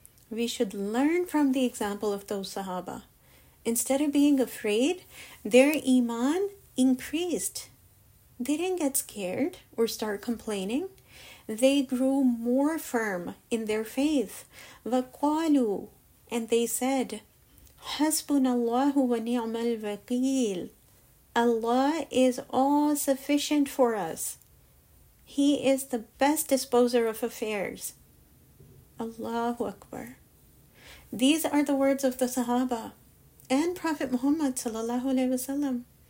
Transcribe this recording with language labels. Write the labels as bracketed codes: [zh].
[en] We should learn from the example of those Sahaba. Instead of being afraid, their iman increased. They didn't get scared or start complaining. They grew more firm in their faith. [ar] وَقَالُوا. [en] And they said, [ar] حَسْبُنَ اللَّهُ وَنِعْمَ الْوَكِيلُ. [en] Allah is all sufficient for us. He is the best disposer of affairs. Allahu Akbar. These are the words of the Sahaba and Prophet Muhammad sallallahu alaihi wasallam.